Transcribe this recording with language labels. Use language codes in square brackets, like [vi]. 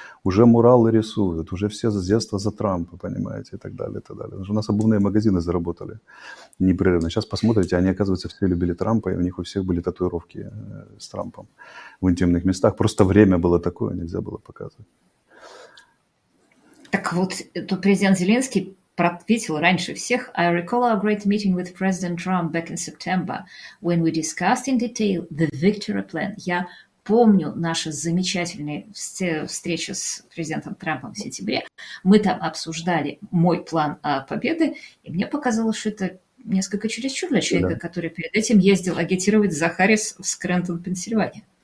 [ru] Уже муралы рисуют, уже все зазерства за Трампа, понимаете, и так далее. У нас обувные магазины заработали непрерывно. Сейчас посмотрите, они, оказывается, все любили Трампа, и у них у всех были татуировки с Трампом в интимных местах. Просто время было такое, нельзя было показывать. Так вот, тут президент Зеленский ответил раньше всех. [en] I recall our great meeting with President Trump back in September, when we discussed in detail the victory plan. [ru] Я помню наши замечательные встречи с президентом Трампом в сентябре. Мы там обсуждали мой план победы, и мне показалось, что это несколько чересчур для человека, да, который перед этим ездил агитировать за Харрис в Скрентон, Пенсильвания.